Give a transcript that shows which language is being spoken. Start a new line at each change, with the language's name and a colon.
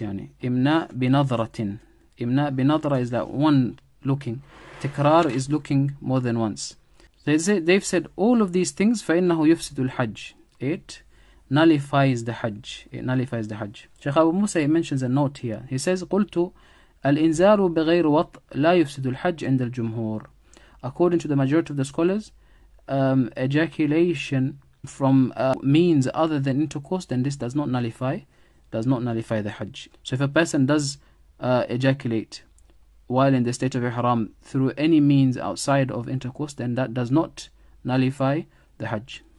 Arabic: يعني إمناء بنظرة, إمناء بنظرة
English: is that one looking, تكرار is looking more than once. They've said all of these things,
Arabic: فَإِنَّهُ يُفْسِدُ الْحَجِّ.
English: It nullifies the Hajj. It nullifies the Hajj. Shaykh Abu Musa mentions a note here. He says,
Arabic: قُلْتُ الْإِنْزَارُ بِغَيْرُ وَطْ لَا يُفْسِدُ الْحَجِّ عِنْدَ الْجُمْهُورِ.
English: According to the majority of the scholars, ejaculation from means other than intercourse, then this does not nullify the Hajj. So if a person does ejaculate while in the state of Ihram through any means outside of intercourse, then that does not nullify the Hajj.